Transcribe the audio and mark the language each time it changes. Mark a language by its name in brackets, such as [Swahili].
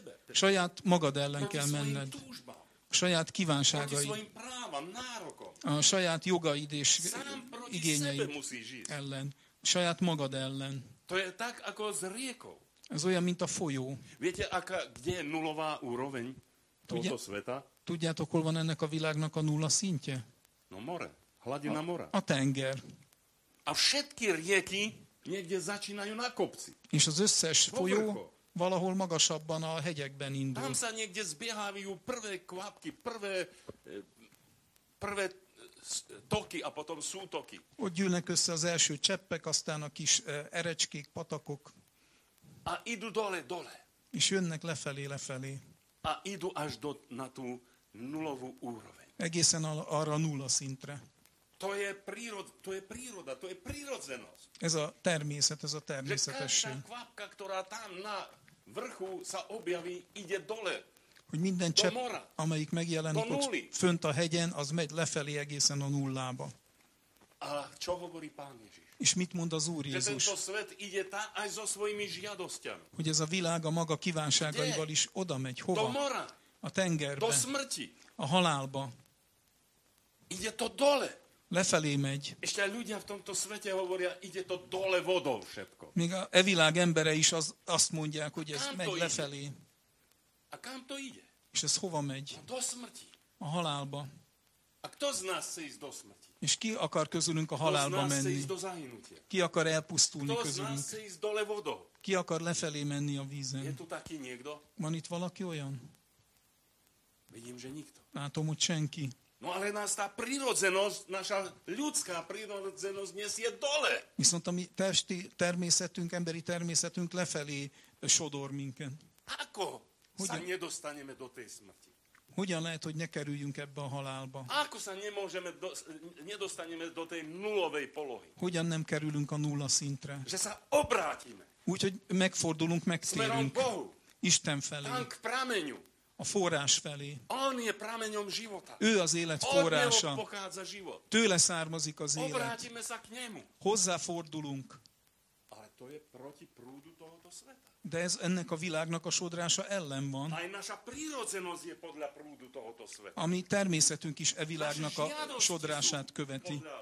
[Hungarian] Saját magad ellen kell menned. Saját kívánságaid, a saját jogaid és igényeid ellen. Saját magad ellen. [Slovak] To je tak ako s riekou. [Hungarian] Ez olyan, mint a folyó. [Slovak] Viete, kde je nulová úroveň tohoto sveta? [Hungarian] Tudjátok, hol van ennek a világnak a nulla szintje? [Slovak] No more, hladina mora. [Hungarian] A tenger. [Slovak] A všetky rieky niekde začínajú na kopci. [Hungarian] És az összes folyó valahol magasabban a hegyekben indul. [Slovak] Tam sa niekde zbiehajú prvé kvapky, prvé toky a potom sútoky. [Hungarian] Ott gyűlnek össze az első cseppek, aztán a kis erecskék, patakok. [Slovak] A idu dole, dole. [Hungarian] És jönnek lefelé, lefelé. [Slovak] A idu až do na tú nulovú úroveň. [Hungarian] Egészen arra nulla szintre. [Slovak] To je príroda, to je prírodzenosť. [Hungarian] Ez a természet, ez a természetesség. [Slovak] Každá kvapka, ktorá tam na vrchu sa objaví, ide dole. [Hungarian] Hogy minden csepp, amelyik megjelenik ott fönt a hegyen, az megy lefelé egészen a nullába. [Slovak] A čo hovorí Pán Ježiš? [Hungarian] És mit mond az Úr Jézus? [Slovak] Tento svet ide tá aj so svojimi žiadosťami. [Hungarian] Hogy ez a világ a maga kívánságaival is oda megy. Hova? [Slovak] Do mora. [Hungarian] A tengerbe. [Slovak] Do smrti. [Hungarian] A halálba. [Slovak] Ide to dole. [Hungarian] Lefelé megy. [Slovak] És te ľudia v tomto svete hovoria, ide to dole vodou všetko. [Hungarian] Még a e világ embere is azt mondják, hogy ez megy lefelé. [Slovak] A kam to ide? [Hungarian] És ez hova megy? [Slovak] Do smrti. [Hungarian] A halálba. [Slovak] A kto z nás chce ísť do smrti? [Hungarian] És ki akar közülünk a halálba menni? [Slovak] Kto z nás chce ísť do zahynutia? [Hungarian] Ki akar elpusztulni közülünk? [Slovak] Kto z nás chce ísť dole vodou? [Hungarian] Ki akar lefelé menni a vízen? [Slovak] Je tu taký niekto? [Hungarian] Van itt valaki olyan? [Slovak] Vidím, že nikto. [Hungarian] Látom, hogy senki. [Slovak] No ale nás tá prírodzenosť, naša ľudská prírodzenosť nesie dole. [Hungarian] Viszont a mi testi természetünk, emberi természetünk lefelé sodor minket. [Slovak] Ako? [Hungarian] Hogyan? [Slovak] Sa nedostaneme do tej smrti. [Hungarian] Hogyan lehet, hogy ne kerüljünk ebbe a halálba? [Slovak] Ako sa nedostaneme do tej nulovej polohy? [Hungarian] Hogyan nem kerülünk a nulla szintre? [Slovak] Že sa obrátime. [Hungarian] Úgyhogy megfordulunk, megtérünk. [Slovak] Smerom Bohu. [Hungarian] Isten felé. [Slovak] Tam k prameňu. [Hungarian] A forrás felé. [Slovak] On je prameňom života. [Hungarian] Ő az élet forrása. [Slovak] Od neho pochádza život. [Hungarian] Tőle származik az élet. [Slovak] Obrátime sa k nemu. [Hungarian] Hozzáfordulunk. [Slovak] Ale to je proti prúdu tohoto sveta. [Hungarian] De ez ennek a világnak a sodrása ellen van. [Slovak] Aj naša prírodzenosť je podľa prúdu tohoto sveta. [Hungarian] A mi természetünk is e világnak a sodrását követi.